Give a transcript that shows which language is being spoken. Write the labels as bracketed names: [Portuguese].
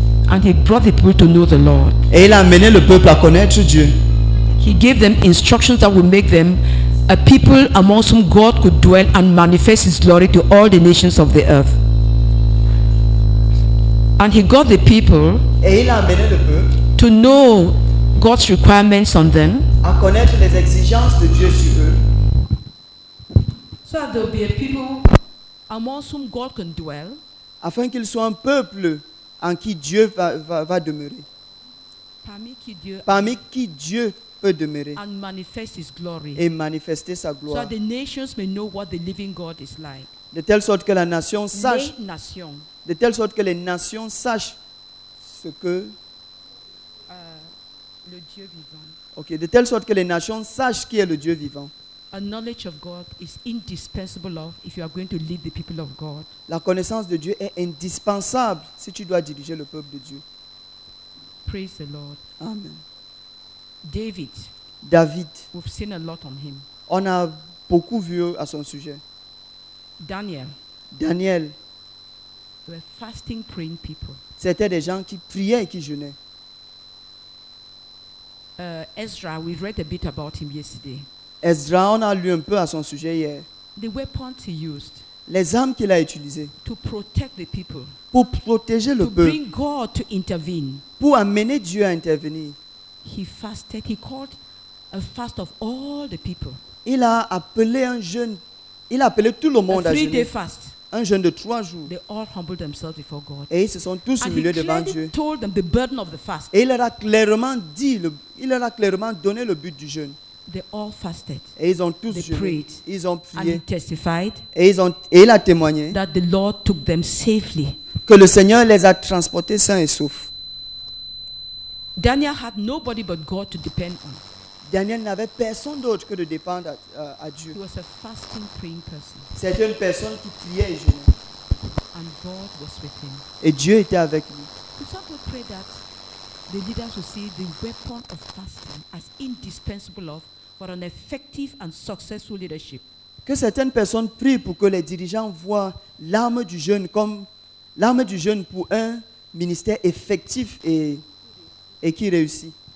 [English] And he brought the people to know the Lord. [French] Et il a amené le peuple à connaître Dieu. [English] He gave them instructions that would make them a people amongst whom God could dwell and manifest his glory to all the nations of the earth. And he got the people. [French] Et il a amené le peuple [English] to know God's requirements on them. [French] À connaître les exigences de Dieu sur eux. [English] So that there will be a people amongst whom God can dwell. [French] Afin qu'il soit un peuple en qui Dieu va demeurer. Parmi qui Dieu peut demeurer. [English] And manifest his glory. [French] Et manifester sa gloire. [English] So that the nations may know what the living God is like. [French] de telle sorte que la nation sache, de telle sorte que les nations sachent ce que le Dieu vivant. Ok, de telle sorte que les nations sachent qui est le Dieu vivant. [English] A knowledge of God is indispensable of if you are going to lead the people of God. [French] La connaissance de Dieu est indispensable si tu dois diriger le peuple de Dieu. [English] Praise the Lord. [French] Amen. [English] David. [French] David. [English] We've seen a lot on him. [French] On a beaucoup vu à son sujet. [English] Daniel. [French] Daniel. [English] Were fasting, praying people. [French] C'était des gens qui priaient et qui jeûnaient. [English] Ezra, we read a bit about him yesterday. [French] Ezra, on a lu un peu à son sujet hier. [English] The weapons he used. [French] Les armes qu'il a utilisées. [English] To protect the people. [French] Pour protéger le peuple. [English] To bring God to intervene. [French] Pour amener Dieu à intervenir. [English] He fasted. He called a fast of all the people. [French] Il a appelé un jeûne. Il a appelé tout le monde [English] a [French] à jeûner. [English] A 3-day fast. [French] Un jeûne de 3 jours. [English] They all humbled themselves before God. [French] Et ils se sont tous humiliés devant Dieu. [English] And he clearly told them the burden of the fast. [French] Et il leur a clairement dit, il leur a clairement donné le but du jeûne. [English] They all fasted. [French] Et ils ont tous [English] they [French] jeûné. [English] Prayed. [French] Ils ont prié. [English] And he testified. [French] Et ils ont, et il a témoigné. [English] That the Lord took them safely. [French] Que le Seigneur les a transportés sains et saufs. [English] Daniel had nobody but God to depend on. [French] Daniel n'avait personne d'autre que de dépendre à Dieu. [English] He was a fasting, praying person. [French] C'était une personne qui priait et jeûnait. [English] And God was with him. [French] Et Dieu était avec lui. [English] Could someone pray that the leaders will see the weapon of fasting as indispensable of for an effective and successful leadership? [French] Que certaines personnes prient pour que les dirigeants voient l'arme du jeûne comme l'arme du jeûne pour un ministère effectif et qui réussit.